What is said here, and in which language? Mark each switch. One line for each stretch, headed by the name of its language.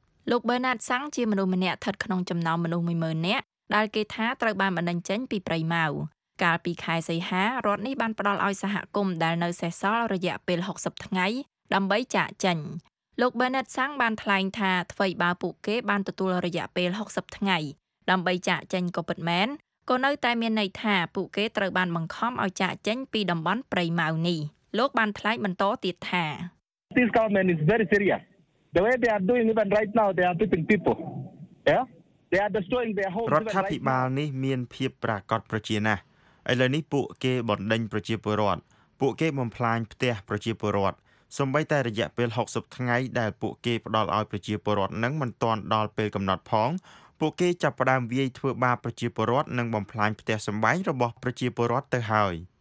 Khmer: លោក Bernard Sang ជាមនុស្សម្នាក់ស្ថិតក្នុងចំណោមមនុស្ស 10,000 នាក់ដែលគេថាត្រូវបានបណ្តេញចេញពីព្រៃម៉ៅកាលពីខែសីហារដ្ឋនេះបានផ្តល់ឲ្យសហគមន៍ដែលនៅសេសសល់រយៈពេល60ថ្ងៃដើម្បីចាកចេញលោក Bernard Sang បានថ្លែងថាអ្វីបើពួកគេបានទទួលរយៈពេល60ថ្ងៃដើម្បីចាកចេញក៏ពិតមែនក៏នៅតែមានន័យថាពួកគេត្រូវបានបង្ខំឲ្យចាកចេញពីតំបន់ព្រៃម៉ៅនេះលោកបានថ្លែងបន្តទៀតថា
English: This government is very serious the way they are doing even right now they are putting people yeah they are destroying their whole
Khmer: រដ្ឋាភិបាលនេះមានភាពប្រកាសប្រជាណាស់ឥឡូវនេះពួកគេបណ្តេញប្រជាពលរដ្ឋពួកគេបំផ្លាញផ្ទះប្រជាពលរដ្ឋសម្បីតែរយៈពេល60ថ្ងៃដែលពួកគេផ្ដល់ឲ្យប្រជាពលរដ្ឋនឹងមិនទាន់ដល់ពេលកំណត់ផងពួកគេចាប់ផ្ដើមវាយធ្វើបាបប្រជាពលរដ្ឋនិងបំផ្លាញផ្ទះសម្បែងរបស់ប្រជាពលរដ្ឋទៅហើយ